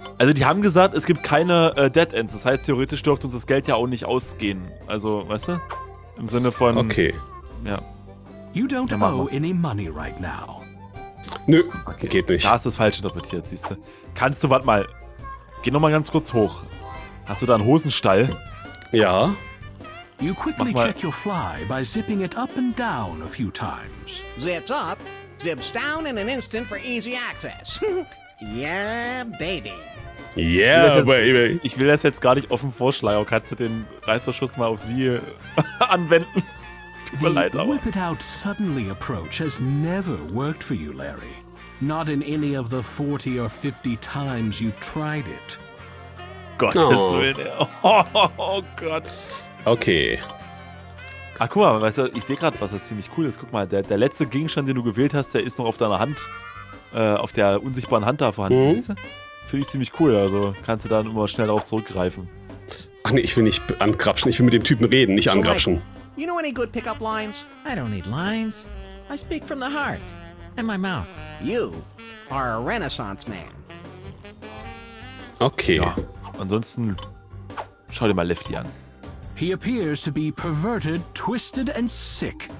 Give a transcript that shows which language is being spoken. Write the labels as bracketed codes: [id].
[de] Also die haben gesagt, es gibt keine Dead Ends. Das heißt, theoretisch dürfte uns das Geld ja auch nicht ausgehen. Also, weißt du? Im Sinne von... Okay. Ja. [en] You don't owe any money right now. [de] Nö, okay. Geht nicht. Da hast du das falsch interpretiert, siehst du. Kannst du, warte mal, geh nochmal ganz kurz hoch. Hast du da einen Hosenstall? Ja. [en] You quickly check your fly by zipping it up and down a few times. Zips up, zips down in an instant for easy access. Yeah, baby. Yeah, baby. [de] Ich will das jetzt gar nicht offen vorschleiern. Kannst du den Reißverschluss mal auf sie anwenden? Tut mir leid, aber. [en] The whip-it-out suddenly approach has never worked for you, Larry. Not in any of the 40 or 50 times you tried it. [de] Gottes Willen. Oh Gott. Okay. Ach, guck mal, weißt du, ich sehe gerade was, das ist ziemlich cool. Guck mal, der letzte Gegenstand, den du gewählt hast, der ist noch auf deiner Hand. Auf der unsichtbaren Hand da vorhanden ist. Finde ich ziemlich cool, also kannst du dann immer schnell darauf zurückgreifen. Ach nee, ich will nicht angrapschen, ich will mit dem Typen reden, nicht angrapschen. [en] You know any good pickup lines? I don't need lines. I speak from the heart and my mouth. You are a Renaissance man. [de] Okay. Ja, ansonsten schau dir mal Lefty an. [en] He appears to be perverted, twisted and sick.